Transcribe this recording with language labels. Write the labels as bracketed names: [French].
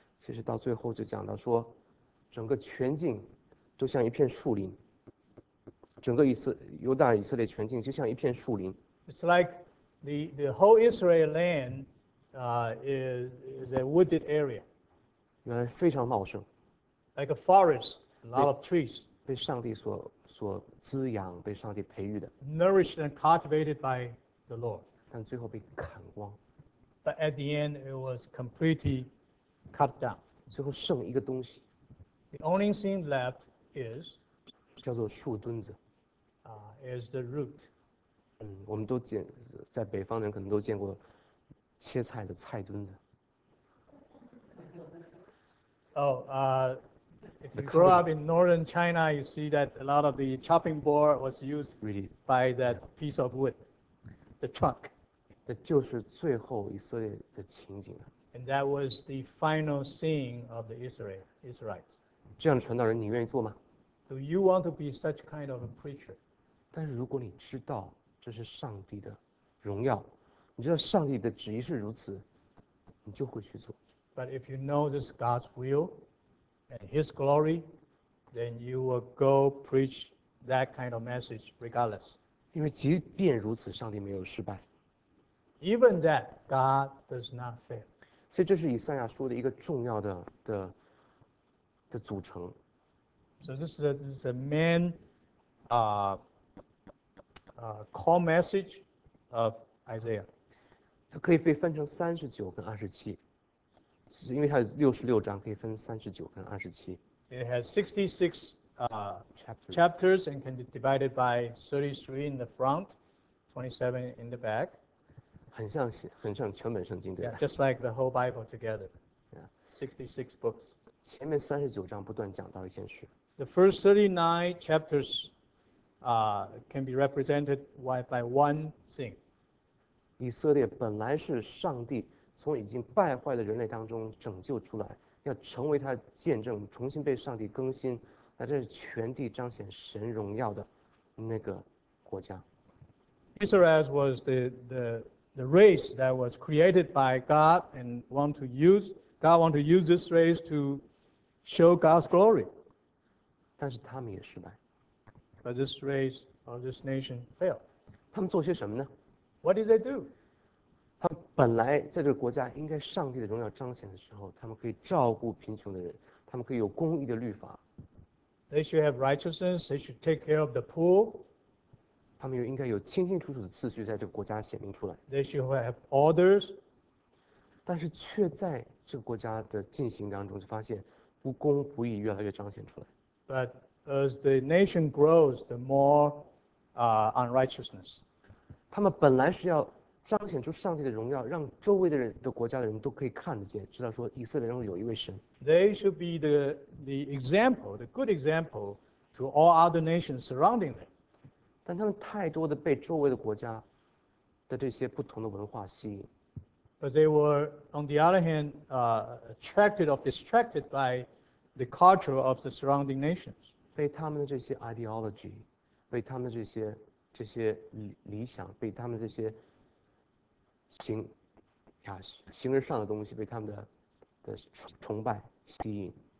[Chinese] 其实到最后就讲到说，整个全境都像一片树林，整个犹大以色列全境就像一片树林。 [English] It's like the whole Israel land is a wooded area. [Chinese] 原来非常茂盛， [English] like a forest, a lot of trees. [Chinese] 被上帝所滋养，被上帝培育的。 [English] Nourished and cultivated by the Lord. [Chinese] 但最后被砍光。 [English] But at the end, it was completely cut down. [Chinese] 最后剩一个东西。 [English] The only thing left is [Chinese] 叫做树墩子。 [English] Is the root. [Chinese] 我们都见，在北方人可能都见过切菜的菜墩子。 [English] If you grow up in northern China, you see that a lot of the chopping board was used Really? by that piece of wood, the trunk. [Chinese] 这就是最后以色列的情景啊。 [English] And that was the final scene of the Israelites. [Chinese] 这样的传道人，你愿意做吗？ [English] Do you want to be such kind of a preacher? [Chinese] 但是如果你知道这是上帝的荣耀，你知道上帝的旨意是如此，你就会去做。 [English] But if you know this God's will, and His glory, then you will go preach that kind of message regardless. [Chinese] 因为即便如此，上帝没有失败。 [English] Even that, God does not fail. [Chinese] 所以这是以赛亚书的一个重要的组成。 [English] So this is a main core message of Isaiah. [Chinese] 它可以被分成39跟27。就是因为它有66章，可以分39跟27。 [English] It has 66 chapters and can be divided by 33 in the front, 27 in the back. [Chinese] 很像全本圣经，对吧？ [English] Yeah, just like the whole Bible together. Yeah, 66 books. [Chinese] 前面39章不断讲到一件事。 [English] The first 39 chapters, can be represented by one thing. [Chinese] 以色列本来是上帝从已经败坏的人类当中拯救出来，要成为他见证，重新被上帝更新，那这是全地彰显神荣耀的那个国家。 [English] Israel was the race that was created by God and God want to use this race to show God's glory. [Chinese] 但是他们也失败。 [English] But this race or this nation failed. [Chinese] 他们做些什么呢？ [English] What did they do? [Chinese] 他们本来在这个国家应该上帝的荣耀彰显的时候，他们可以照顾贫穷的人，他们可以有公义的律法。 [English] They should have righteousness. They should take care of the poor. [Chinese] 他们又应该有清清楚楚的次序在这个国家显明出来。 [English] They should have orders. [Chinese] 但是却在这个国家的进行当中，就发现不公不义越来越彰显出来。 [English] But as the nation grows, the more unrighteousness. [Chinese] 他们本来是要彰显出上帝的荣耀，让周围的人的国家的人都可以看得见，知道说以色列中有一位神。 [English] They should be the example, the good example to all other nations surrounding them. [Chinese] 但他们太多的被周围的国家的这些不同的文化吸引。 [English] But they were, on the other hand, attracted or distracted by the culture of the surrounding nations. [Chinese] 被他们的这些 ideology, 被他们的这些理想，被他们这些形而上的东西被他们的崇拜吸引。